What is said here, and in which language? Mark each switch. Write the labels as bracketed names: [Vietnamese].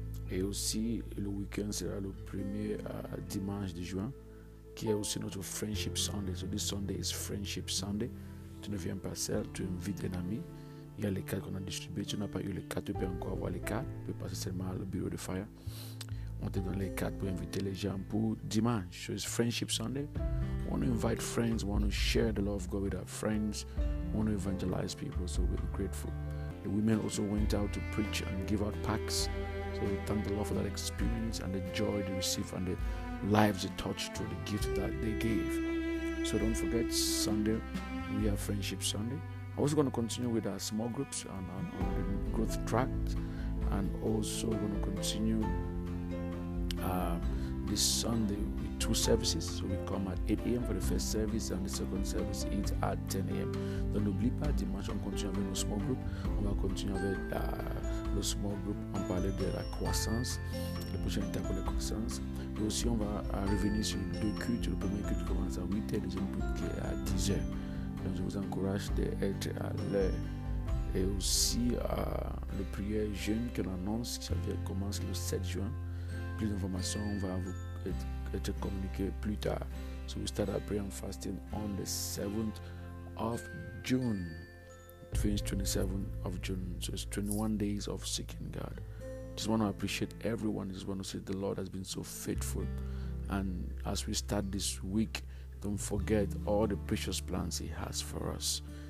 [French] Et aussi, le week-end sera le premier dimanche de juin, qui est aussi notre Friendship Sunday. [English] So, this Sunday is Friendship Sunday. [French] Tu ne viens pas seul, tu invites un ami. Il y a les cartes qu'on a distribuées. Tu n'as pas eu les cartes, tu peux encore avoir les cartes. Tu peux passer seulement au bureau de fire. On te donne les cartes pour inviter les gens pour dimanche. [English] So, it's Friendship Sunday. We want to invite friends, we want to share the love of God with our friends, we want to evangelize people, so we're grateful. The women also went out to preach and give out packs, so we thank the Lord for that experience and the joy they received and the lives they touched through the gift that they gave. So don't forget, Sunday, we have Friendship Sunday. I was going to continue with our small groups and on the growth track, and also going to continue this Sunday with two services. So we come at 8 a.m. for the first service, and the second service is at 10 a.m. Don't [French] oublie pas, dimanche, on continue avec nos small group. On va continuer avec nos small group. On parlait de la croissance, le prochain étape pour la croissance. Et aussi, on va revenir sur deux cultes. Le premier culte commence à 8h, le deuxième culte qui est à 10h. Donc, je vous encourage d'être à l'heure. Et aussi à la prière jeune qu'on annonce, qui commence le 7 juin. Plus d'informations vont vous être communiquées plus tard. [English] So we start our prayer and fasting on the 7th of June. It finished 27th of June. So it's 21 days of seeking God. Just want to appreciate everyone. Just want to say the Lord has been so faithful. And as we start this week, don't forget all the precious plans He has for us.